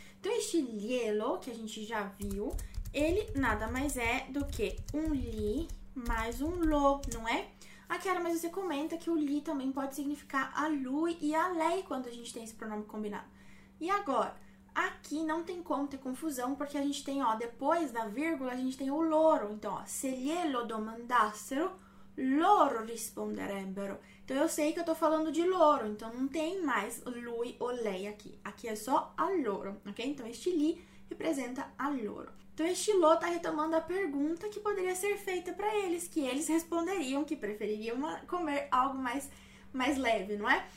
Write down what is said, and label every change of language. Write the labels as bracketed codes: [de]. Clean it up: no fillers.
[pt] Então, este lielo, que a gente já viu, ele nada mais é do que um li mais um lo, não é? Aqui, era, mas você comenta que o li também pode significar a lui e a lei quando a gente tem esse pronome combinado. E agora? Aqui não tem como ter confusão, porque a gente tem, ó, depois da vírgula, a gente tem o loro. Então, ó, [it] se glielo domandassero, loro risponderebbero. [pt] Então, eu sei que eu tô falando de loro, então não tem mais lui ou lei aqui. Aqui é só [it] a loro, [pt] ok? Então, este li representa a loro. Então, este lo está retomando a pergunta que poderia ser feita para eles, que eles responderiam que prefeririam comer algo mais leve, não é?